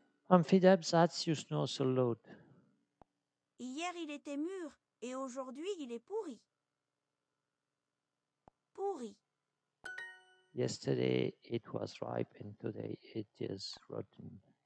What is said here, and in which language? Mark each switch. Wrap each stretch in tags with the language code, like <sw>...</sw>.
<en>I'm fed up that you snore so loud.</en> <fr>Hier il était mûr et aujourd'hui il est pourri. Pourri.</fr> <en>Yesterday it was ripe and today it is rotten.</en>